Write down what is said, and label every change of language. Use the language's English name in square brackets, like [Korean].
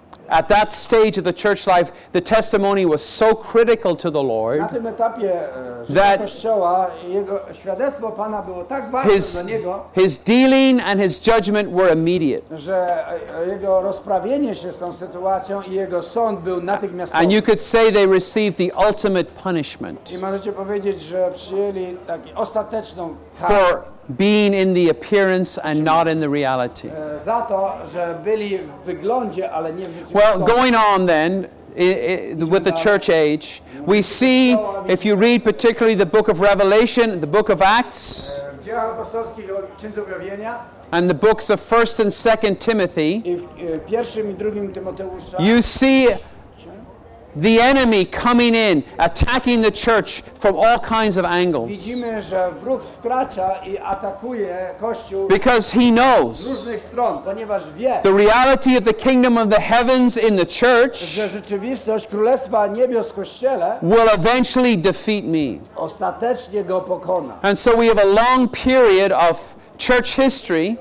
[English] At that stage of the church life, the testimony was so critical to the Lord that [Polish] jego świadectwo Pana było tak ważne dla niego, [English] his dealing and his judgment were immediate. [Polish] Że jego rozprawienie się z tą sytuacją i jego sąd był natychmiastowy. [English] And you could say they received the ultimate punishment. [Polish] I możecie powiedzieć, że przyjęli taki ostateczną karę. [English] For being in the appearance and not in the reality. [Polish] Za to, że byli w wyglądzie, ale nie w rzeczywistości. [English] Well, going on then, with the church age, we see, if you read particularly the book of Revelation, the book of Acts, [Polish] w dziejach apostolskich, czyn zobjawienia, [English] and the books of 1 and 2 Timothy, [Polish] w pierwszym i drugim Tymoteusza, [English] you see the enemy coming in, attacking the church from all kinds of angles. [Polish] Widzimy, że wróg wkracza i atakuje Kościół. [English] Because he knows. [Polish] Z różnych stron, ponieważ wie. [English] The reality of the kingdom of the heavens in the church. [Polish] Że rzeczywistość królestwa niebios w Kościele. [English] Will eventually defeat me. [Polish] Ostatecznie go pokona. [English] And so we have a long period of church history.